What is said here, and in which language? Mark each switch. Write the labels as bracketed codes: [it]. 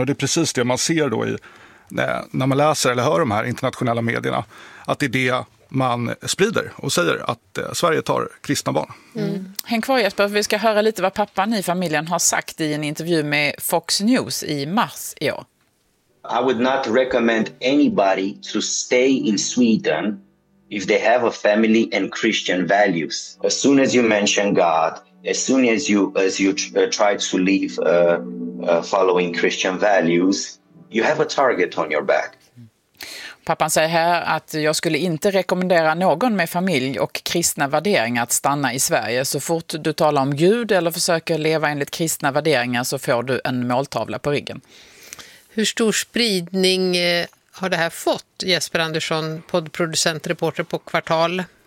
[sv] Och det är precis det man ser då i när man läser eller hör de här internationella medierna, att det är det man sprider och säger att Sverige tar kristna barn. Mm. Häng kvar Jesper, för vi ska höra lite vad pappan i familjen har sagt i en intervju med Fox News i mars i år. [en] I would not recommend anybody to stay in Sweden if they have a family and Christian values. As soon as you mention God, as soon as you try to live following Christian values, you have a target on your back. [sv] Pappan säger här att jag skulle inte rekommendera någon med familj och kristna värderingar att stanna i Sverige. Så fort du talar om Gud eller försöker leva enligt kristna värderingar så får du en måltavla på ryggen. Hur stor spridning har det här fått, Jesper Andersson, poddproducent, reporter på Kvartal?